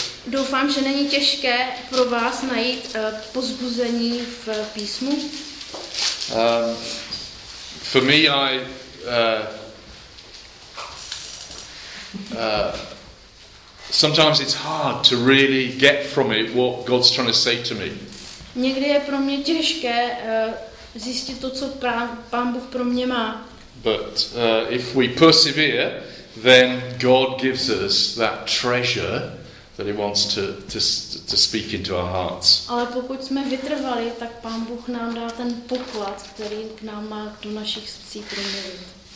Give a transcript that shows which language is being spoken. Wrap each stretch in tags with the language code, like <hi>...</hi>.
<cs>Doufám, že není těžké pro vás najít povzbuzení v písmu.</cs> <en>For me, sometimes it's hard to really get from it what God's trying to say to me.</en> <cs>Někdy je pro mě těžké zjistit to, co Pán Bůh pro mě má.</cs> <en>But if we persevere, then God gives us that treasure that he wants to speak into our hearts.</en> <cs>Ale pokud jsme vytrvali, tak Pán Bůh nám dá ten poklad, který k nám má do našich srdcí promluvit.</cs>